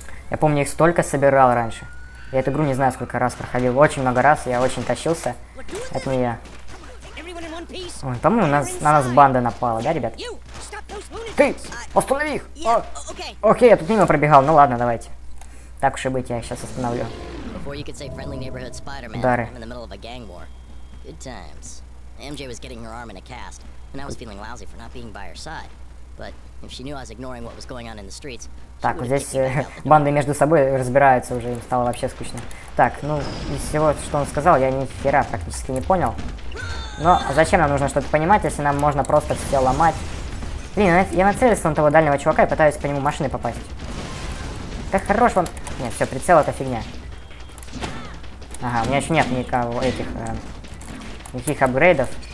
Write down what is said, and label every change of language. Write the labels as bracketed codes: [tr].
[ru] Я помню, их столько собирал раньше. Я эту игру не знаю, сколько раз проходил. Очень много раз, я очень тащился от нее. Ой, по-моему, на нас банда напала, да, ребят? Ты! Останови их! Окей, я тут мимо пробегал, ну ладно, давайте. Так уж и быть, я их сейчас остановлю. [en] Before you could say friendly neighborhood Spider-Man, Дары. I'm in the middle of a gang war. Good times. MJ was getting her arm in a cast, and I was feeling lousy for not being by her side. But if she knew I was ignoring what was going on in the streets, [ru] так, вот здесь банды между собой разбираются уже, им стало вообще скучно. Так, ну, из всего, что он сказал, я ни хера практически не понял. Но зачем нам нужно что-то понимать, если нам можно просто все ломать? Блин, я нацелился на того дальнего чувака и пытаюсь по нему машины попасть. Как хорош он... Нет, все, прицел это фигня. Ага, у меня еще нет никого этих, никаких апгрейдов.